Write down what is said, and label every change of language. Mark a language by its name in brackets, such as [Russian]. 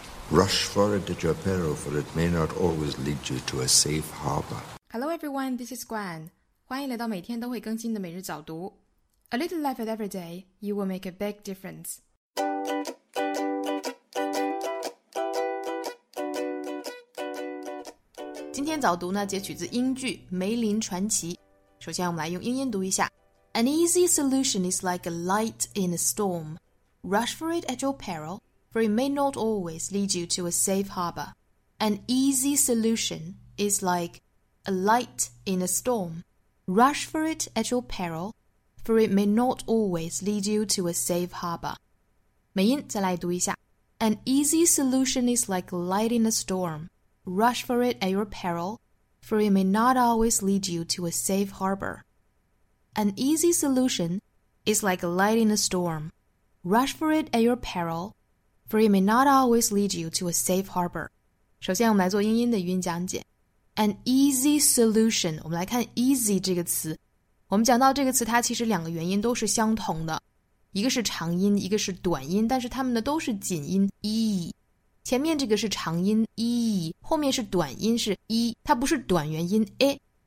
[English] Rush for it at your peril, for it may not always lead you to a safe harbor. Hello everyone, this is Gwen. [Chinese] 欢迎来到每天都会更新的每日早读。 [English] A little effort every day, you will make a big difference. [Chinese] Today's 早读呢，截取自英剧《梅林传奇》。首先，我们来用英音读一下。 [English] An easy solution is like a light in a storm. Rush for it at your peril, for it may not always lead you to a safe harbor. An easy solution is like a light in a storm. Rush for it at your peril, for it may not always lead you to a safe harbor. [Chinese] 美音再来读一下。 [English] An easy solution is like a light in a storm. Rush for it at your peril, for it may not always lead you to a safe harbor. An easy solution is like a light in a storm. Rush for it at your peril, for it may not always lead you to a safe harbor. [Chinese] 首先我们来做英音的语音讲解。 [English] An easy solution, [Chinese] 我们来看 easy 这个词。我们讲到这个词它其实两个元音都是相同的。一个是长音一个是短音但是它们呢都是紧音 e。前面这个是长音 e, 后面是短音是 e, 它不是短元音 a。